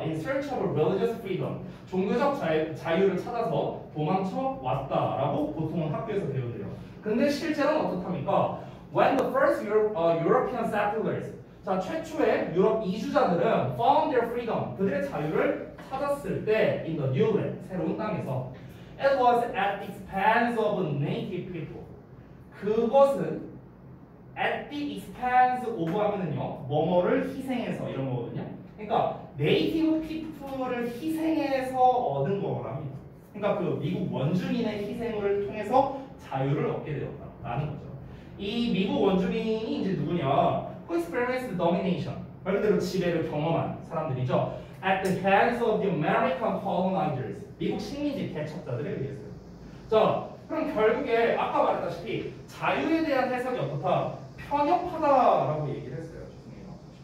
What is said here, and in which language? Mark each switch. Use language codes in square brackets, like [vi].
[en] In search of religious freedom, [ko] 종교적 자유를 찾아서 도망쳐 왔다라고 보통은 학교에서 배우네요. 근데 실제로는 어떻습니까? [en] When the first European settlers, [ko] 자 최초의 유럽 이주자들은 [en] found their freedom, [ko] 그들의 자유를 찾았을 때 [en] in the new land, [ko] 새로운 땅에서 [en] it was at the expense of native people. [ko] 그것은 [en] at the expense of [ko] 하면은요, 뭐뭐를 희생해서 이런 거거든요. 그러니까 [en] native people [ko] 을 희생해서 얻은 거랍니다. 그러니까 그 미국 원주민의 희생을 통해서 자유를 얻게 되었다라는 거죠. 이 미국 원주민이 이제 누구냐? [en] Who experienced domination? [ko] 말 그대로 지배를 경험한 사람들이죠. [en] At the hands of the American colonizers, [ko] 미국 식민지 개척자들에 의해서. 자, 그럼 결국에 아까 말했다시피 자유에 대한 해석이 어떻다? 편협하다라고 얘기를 했어요. 죄송해요.